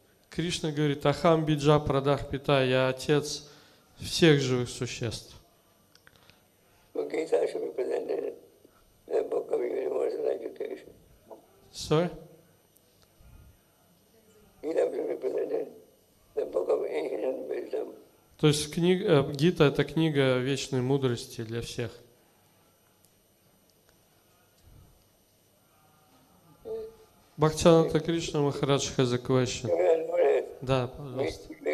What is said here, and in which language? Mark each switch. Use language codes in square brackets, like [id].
[ru] Кришна говорит, [sa] Ахам Биджа Прадах Пита, [ru] я отец всех живых существ. [en] Gita should be presented in the book of universal education. Sorry? Gita should be presented in the book of ancient wisdom. [ru] То есть Гита это книга вечной мудрости для всех. Бхактисиддханта Кришна Махарадж has a question. Да, пожалуйста.